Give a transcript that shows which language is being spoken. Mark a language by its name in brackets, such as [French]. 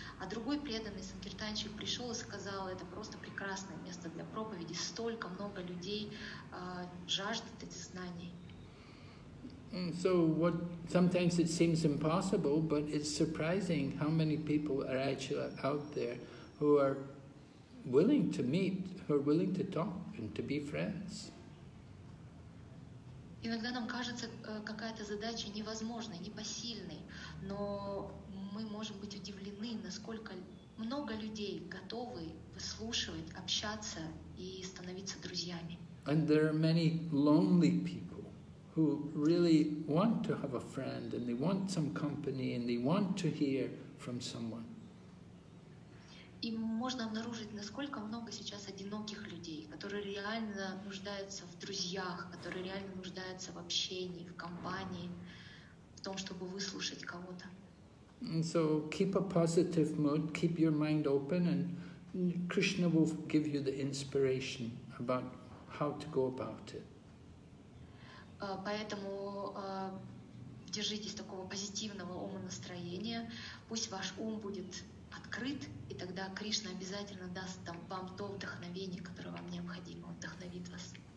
[Russian] А другой преданный санкиртанщик пришел и сказал, это просто прекрасное место для проповеди, столько много людей жаждет этих знаний. [English] So what? Sometimes it seems impossible, but it's surprising how many people are actually out there who are willing to meet, who are willing to talk and to be friends. [Russian] Иногда нам кажется какая-то задача невозможной, непосильной, но мы можем быть удивлены, насколько много людей готовы выслушивать, общаться и становиться друзьями. [English] And there are many lonely people who really want to have a friend and they want some company and they want to hear from someone. [Russian] И можно обнаружить, насколько много сейчас одиноких людей, которые реально нуждаются в друзьях, которые реально нуждаются в общении, в компании, в том, чтобы выслушать кого-то. [English] So keep a positive mood, keep your mind open and Krishna will give you the inspiration about how to go about it. [Russian] Поэтому держитесь такого позитивного ума настроения, пусть ваш ум будет открыт, и тогда Кришна обязательно даст вам то вдохновение, которое вам необходимо, он вдохновит вас.